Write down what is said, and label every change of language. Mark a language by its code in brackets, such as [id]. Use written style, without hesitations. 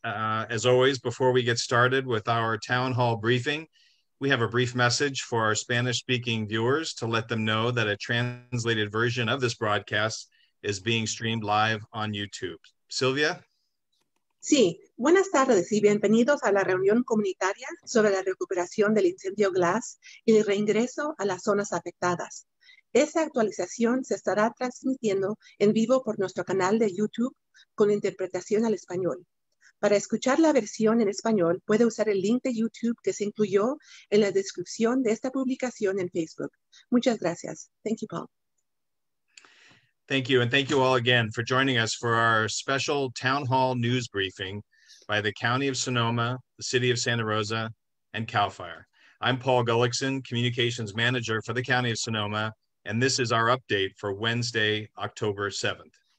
[en] As always, before we get started with our town hall briefing, we have a brief message for our Spanish-speaking viewers to let them know that a translated version of this broadcast is being streamed live on YouTube. Silvia? [es] Sí. Buenas tardes y bienvenidos a la reunión comunitaria sobre la recuperación del incendio Glass y el reingreso a las zonas afectadas. Esa actualización se estará transmitiendo en vivo por nuestro canal de YouTube con interpretación al español. Para escuchar la versión en español, puede usar el link de YouTube que se incluyó en la descripción de esta publicación en Facebook. Muchas gracias. [en] Thank you, Paul. Thank you, and thank you all again for joining us for our special town hall news briefing by the County of Sonoma, the City of Santa Rosa, and CAL FIRE. I'm Paul Gullickson, Communications Manager for the County of Sonoma, and this is our update for Wednesday, October 7th.